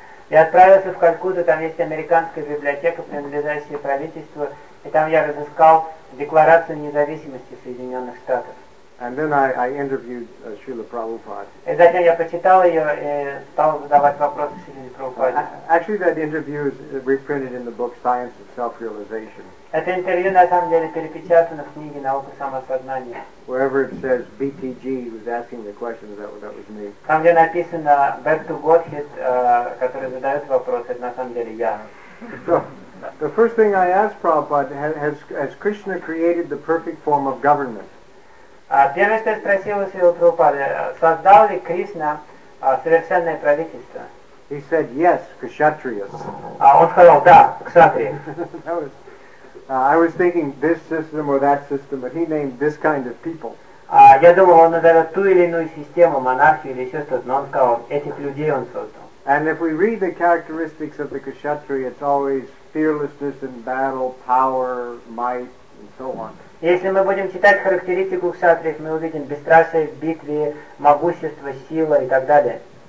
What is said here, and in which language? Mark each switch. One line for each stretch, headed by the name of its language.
Russian: Я отправился в Калькутту, там есть американская библиотека, принадлежащая правительству, и там я разыскал Декларацию независимости Соединенных Штатов.
English: And then I interviewed Srila Prabhupada.
Russian: И затем я почитал ее и стал задавать вопросы Шриле Прабхупаде.
English: Actually, that interview is reprinted in the book Science of Self-Realization.
Russian: Это интервью, на самом деле, перепечатано в книге «Наука самосознания».
English: Wherever it says BTG, who's asking the question, that was me.
Russian: Там, где написано «Back to Godhead», который задает вопрос, это на самом деле я.
English: So, the first thing I asked Prabhupada, has Krishna created the perfect form of government?
Russian: Первое, что я спросил у Шрилы Прабхупады, создал ли Кришна совершенное правительство?
English: He said, yes, kshatriyas.
Russian: Он сказал, да, кшатрия.
English: I was thinking this system or that system, but he named this kind of people.
Russian: Я думал, он назовет ту или иную систему, монархию или еще что-то, но он сказал, этих людей он создал.
English: And if we read the characteristics of the kshatriya, it's always fearlessness in battle, power, might, and so on.
Russian: Если мы будем читать характеристику кшатриев, мы увидим бесстрашие в битве, могущество, сила и так далее.